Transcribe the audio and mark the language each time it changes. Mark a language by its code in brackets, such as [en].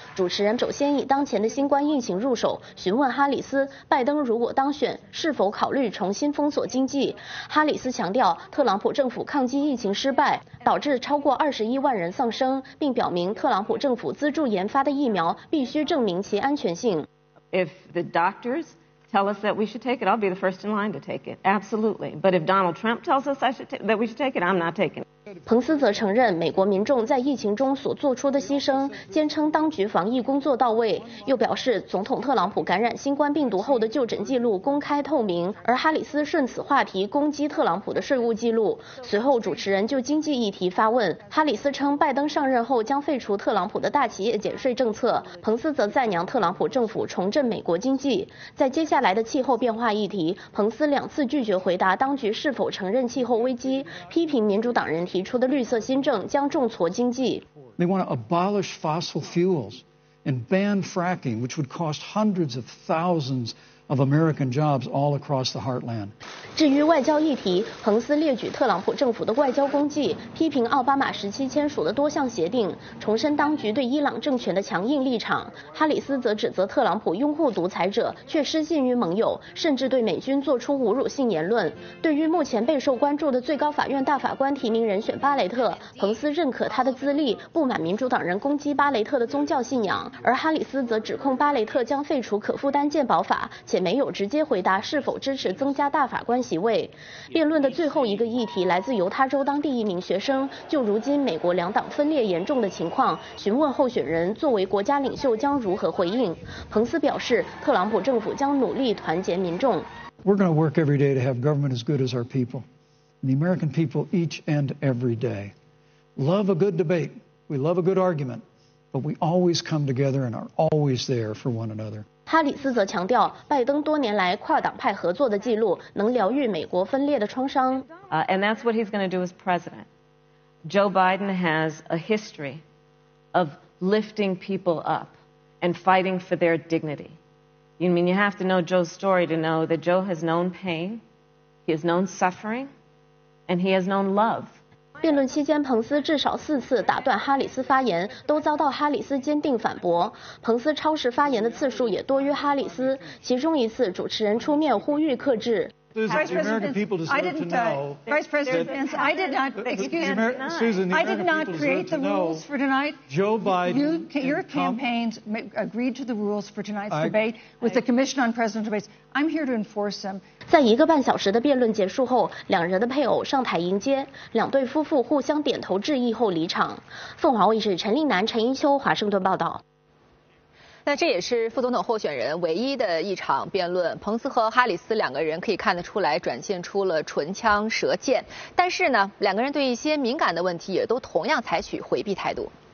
[zh] 主持人首先以当前的新冠疫情入手，询问哈里斯，拜登如果当选是否考虑重新封锁经济。哈里斯强调，特朗普政府抗击疫情失败，导致超过21万人丧生，并表明特朗普政府资助研发的疫苗必须证明其安全性。 [en] If the doctorsTell us that we should take it, I'll be the first in line to take it. Absolutely. But if Donald Trump tells us that we should take it, I'm not taking it. [zh] 彭斯则承认美国民众在疫情中所做出的牺牲，坚称当局防疫工作到位，又表示总统特朗普感染新冠病毒后的就诊记录公开透明，而哈里斯顺此话题攻击特朗普的税务记录。随后主持人就经济议题发问，哈里斯称拜登上任后将废除特朗普的大企业减税政策，彭斯则赞扬特朗普政府重振美国经济。在接下来的气候变化议题，彭斯两次拒绝回答当局是否承认气候危机，批评民主党人提出的绿色新政将重挫经济。 [en] They want to abolish fossil fuels and ban fracking, which would cost hundreds of thousands of American jobs all across the heartland. [zh] 至于外交议题，彭斯列举特朗普政府的外交功绩，批评奥巴马时期签署的多项协定，重申当局对伊朗政权的强硬立场。哈里斯则指责特朗普拥护独裁者，却失信于盟友，甚至对美军做出侮辱性言论。对于目前备受关注的最高法院大法官提名人选巴雷特，彭斯认可他的资历，不满民主党人攻击巴雷特的宗教信仰，而哈里斯则指控巴雷特将废除可负担健保法，且没有直接回答是否支持增加大法官席位。辩论的最后一个议题来自犹他州当地一名学生，就如今美国两党分裂严重的情况，询问候选人作为国家领袖将如何回应。彭斯表示，特朗普政府将努力团结民众。 [en] We're going to work every day to have government as good as our people. The American people each and every day love a good debate. We love a good argument, but we always come together and are always there for one another. [zh] 哈里斯则强调，拜登多年来跨党派合作的记录能疗愈美国分裂的创伤。 [en] And that's what he's going to do as president. Joe Biden has a history of lifting people up and fighting for their dignity. You mean you have to know Joe's story to know that Joe has known pain, he has known suffering, and he has known love. [zh] 辩论期间，彭斯至少四次打断哈里斯发言，都遭到哈里斯坚定反驳。彭斯超时发言的次数也多于哈里斯，其中一次主持人出面呼吁克制。 [en] Vice President, I did not. I did not create the rules for tonight. Joe Biden, your campaigns agreed to the rules for tonight's debate with the Commission on Presidential Debates. I'm here to enforce them. [zh] 在一个半小时的辩论结束后，两人的配偶上台迎接，两对夫妇互相点头致意后离场。凤凰卫视陈令南、陈英秋华盛顿报道。那这也是副总统候选人唯一的一场辩论，彭斯和哈里斯两个人可以看得出来展现出了唇枪舌剑，但是呢，两个人对一些敏感的问题也都同样采取回避态度。